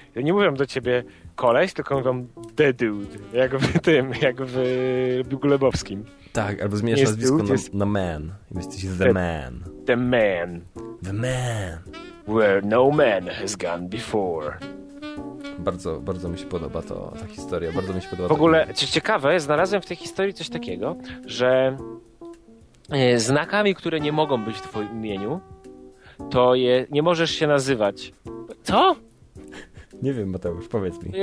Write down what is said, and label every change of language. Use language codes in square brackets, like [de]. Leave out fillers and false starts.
[pl] Ja nie mówię do ciebie koleś, tylko mówię D. Dude. Jak w tym, jak w Bigu Lebowskim. Tak, albo zmieniasz nazwisko dude, na man. Jesteś [en] the man. The man. The man. Where no man has gone before. [pl] Bardzo, bardzo mi się podoba to, ta historia. Bardzo mi się podoba. W ogóle, co ciekawe, znalazłem w tej historii coś takiego, że znakami, które nie mogą być w twoim imieniu, to je, nie możesz się nazywać. Co? Nie wiem, Mateusz, powiedz mi.